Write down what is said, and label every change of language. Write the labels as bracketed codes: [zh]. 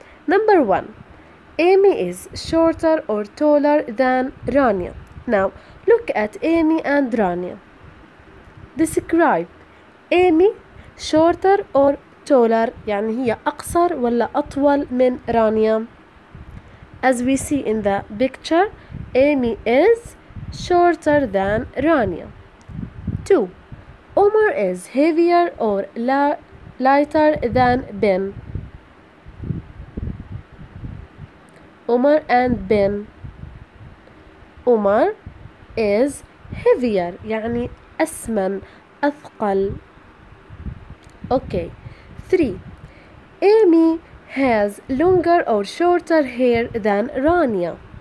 [en] Number one، Amy is shorter or taller than Rania. Now look at Amy and Rania. Describe Amy shorter or taller، [ar] يعني هي أقصر ولا أطول من [en] Rania. As we see in the picture Amy is shorter than Rania. 2. Omar is heavier or lighter than Ben. Omar and Ben. Omar is heavier [ar] يعني أسمن أثقل. [en] Okay. 3. Amy has longer or shorter hair than Rania.